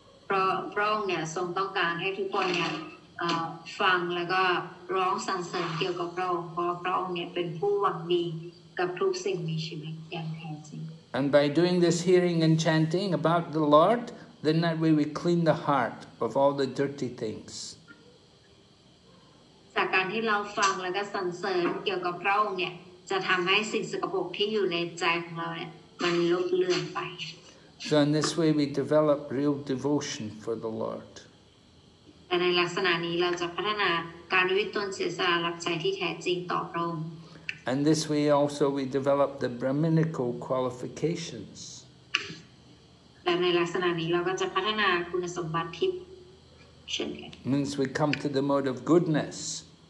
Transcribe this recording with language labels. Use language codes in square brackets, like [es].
[en] And by doing this hearing and chanting about the Lord, then that way we clean the heart of all the dirty things. [th] จากการที่เราฟังแล้วก็สรรเสริญเกี่ยวกับพระองค์เนี่ยจะทำให้สิ่งสกปรกที่อยู่ในใจของเราเนี่ยมันลบเลือนไป [en] So in this way we develop real devotion for the Lord [th] แต่ในลักษณะนี้เราจะพัฒนาการวิตนเสียสละรับใช้ที่แท้จริงต่อพระองค์ [en] And this way also we develop the brahminical qualifications. Means we come to the mode of goodness.